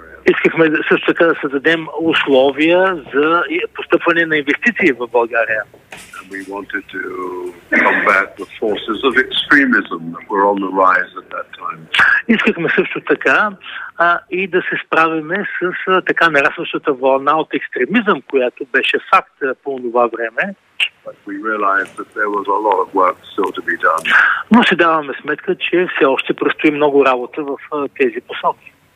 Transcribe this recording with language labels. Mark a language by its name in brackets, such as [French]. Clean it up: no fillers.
[Bulgarian] Искахме също така да създадем условия за постъпване на инвестиции в България. [English] We wanted to combat the forces of extremism that were on the rise at that time. [Bulgarian] Искахме също така и да се справим с така нарастващата вълна от екстремизъм, която беше факт по това време. [English] But we realized that there was a lot of work still to be done. [Bulgarian] Но си даваме сметка, че все още предстои много работа в тези посоки.